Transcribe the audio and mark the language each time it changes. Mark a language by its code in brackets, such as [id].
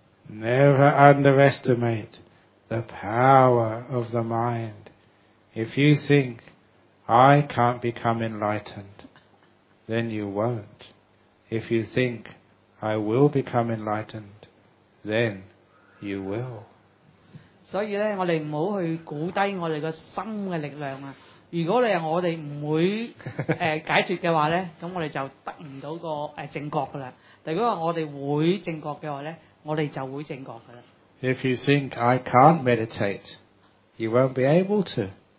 [en] Never underestimate the power of the mind. If you think I can't become enlightened. Then you won't. If you think I will become enlightened, then you will. [yue] 所以咧，我哋唔好去估低我哋个心嘅力量啊！如果你系我哋唔会解脱嘅话咧，咁我哋就得唔到个正觉噶啦。但如果我哋会正觉嘅话咧，我哋就会正觉噶啦。 [en] If you think I can't meditate, you won't be able to.